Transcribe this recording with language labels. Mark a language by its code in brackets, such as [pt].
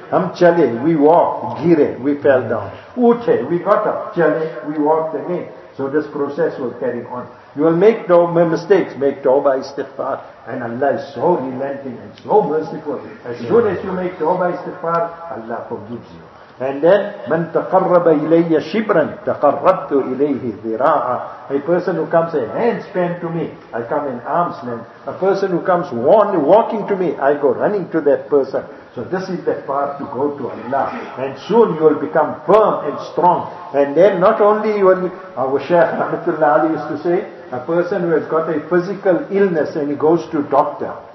[hi] Hum chale, [en] we walked, [hi] gire, [en] we fell down. [hi] Uthe, [en] we got up, [hi] chale, [en] we walked again. So this process will carry on. You will make no mistakes, make tawbah istighfar. And Allah is so relenting and so merciful. As soon as you make tawbah istighfar, Allah forgives you. And then, [ar] من تقرب إليه شبرا تقربت إليه ذراعا. [en] A person who comes a handspan to me, I come in arms length. A person who comes walking to me, I go running to that person. So this is the path to go to Allah. And soon you will become firm and strong. And then not only will our Shaykh Rahmatullah Ali used to say, a person who has got a physical illness and he goes to doctor.